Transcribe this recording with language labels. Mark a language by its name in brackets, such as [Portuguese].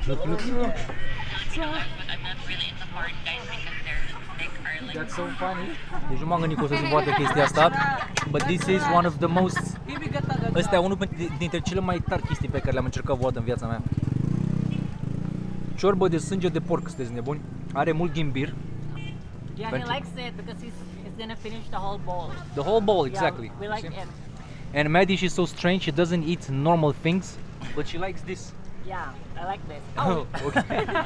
[English] I'm not really into hard guys because they're... That's so funny. [Romanian] Deci nu m-am gândit că o să se poată chestia asta. [English] But this is one of the most... [Romanian] Ăsta e unul dintre cele mai tari chestii pe care le-am încercat vreodată în viața mea. Ciorbă de sânge de porc, sunteți nebuni. Are mult ghimbir. [English] Yeah, he likes it because he's gonna finish the whole bowl. The whole bowl, exactly. Yeah, we like it. And Maddie, she's so strange, she doesn't eat normal things. But she likes this. Yeah, I like this. Oh, okay.